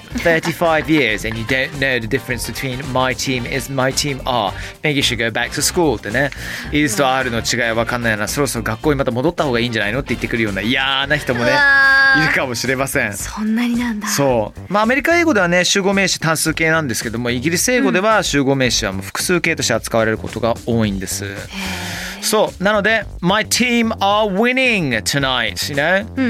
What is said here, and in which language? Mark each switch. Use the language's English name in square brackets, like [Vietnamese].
[English] 35 years and you don't know the difference between my team is my team are. Maybe you should go back to school [Japanese] ってね。 Is と are の違いは分かんないな。そろそろ学校にまた戻った方がいいんじゃないのって言ってくるような嫌な人もね、いるかもしれません。そんなになんだ。そう。まあアメリカ英語ではね、集合名詞単数形なんですけども、イギリス英語では集合名詞はもう複数形として扱われることが多いんです。そう、なので [English] My team are winning tonight, you know?